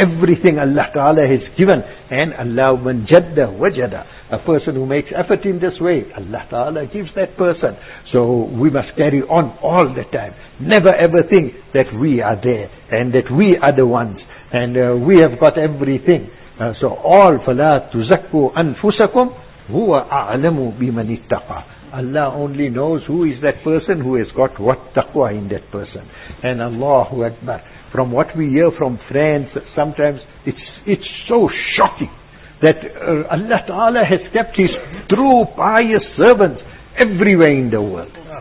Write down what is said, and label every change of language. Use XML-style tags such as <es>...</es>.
<en>Everything Allah Ta'ala has given. And Allah</en> <ar>man jadda wajada.</ar> <en>A person who makes effort in this way, Allah Ta'ala gives that person. So we must carry on all the time. Never ever think that we are there and that we are the ones. And we have got everything. So all</en> <ar>فَلَا تُزَكُّوا أَنفُسَكُمْ هُوَ أَعْلَمُ بِمَنِ اتَّقَى.</ar> <en>Allah only knows who is that person who has got what taqwa in that person. And Allahu Akbar. From what we hear from friends, sometimes it's so shocking that Allah Ta'ala has kept His true pious servants everywhere in the world.</en>